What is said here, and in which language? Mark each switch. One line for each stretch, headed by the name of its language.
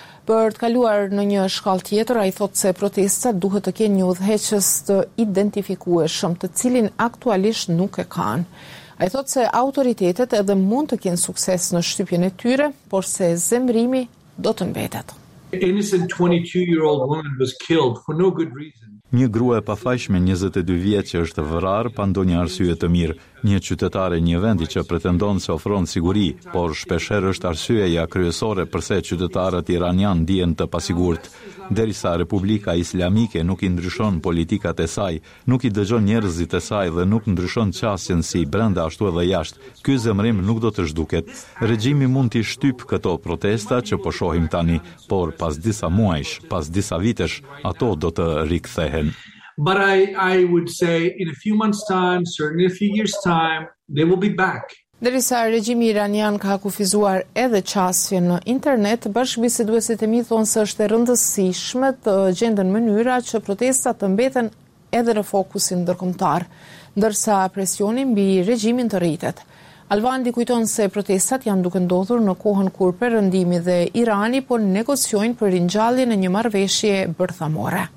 Albanian: Për të kaluar në një shkallë tjetër, ai thotë se protestat duhet të kenë një udhëheqës të identifikueshëm, të cilin aktualisht nuk e kanë. Ai thotë se autoritetet edhe mund të kenë sukses në shtypjen e tyre, por se zemrimi do të mbetet.
English: Innocent 22-year-old woman was killed for no good reason.
Albanian: Një grua e pafajshme 22 vjeç që është vrarë pa ndonjë arsye të mirë, një qytetare një vendi që pretendon se ofron siguri, por shpeshherë është arsyeja kryesore pse qytetarët iranian ndihen të pasigurt. Derisa Republika Islamike nuk i ndryshon politikat e saj, nuk i dëgjon njerëzit e saj dhe nuk ndryshon qasjen si brenda ashtu edhe jashtë, ky zemrim nuk do të zhduket. Regjimi mund t'i shtyp këto protesta që po shohim tani, por pas disa muajsh, pas disa vitesh, ato do të rikthehen.
English: But I would say in a few months time, certainly a few years time, they will be back.
Albanian: Derisa regjimi iranian ka kufizuar edhe qasjen në internet, bashkëbiseduesit e mi thonë se është e rëndësishme të gjenden mënyra që protestat të mbeten edhe në fokusin ndërkombëtar, ndërsa presioni mbi regjimin të rritet. Alvandi kujton se protestat janë duke ndodhur në kohën kur Perëndimi dhe Irani po negocionin për ringjalljen e një marrëveshje bërthamore.